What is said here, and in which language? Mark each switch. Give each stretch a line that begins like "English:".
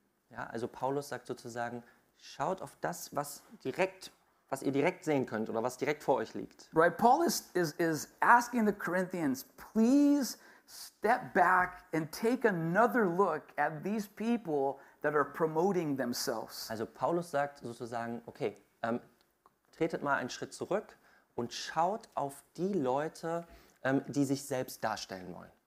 German: Ja, also Paulus sagt sozusagen, schaut auf das, was ihr direkt sehen könnt oder was direkt vor euch liegt.
English: Right, Paul is asking the Corinthians, please step back and take another look at these people that are promoting themselves.
German: Also Paulus sagt sozusagen, okay, tretet mal einen Schritt zurück und schaut auf die Leute, die sich selbst darstellen wollen.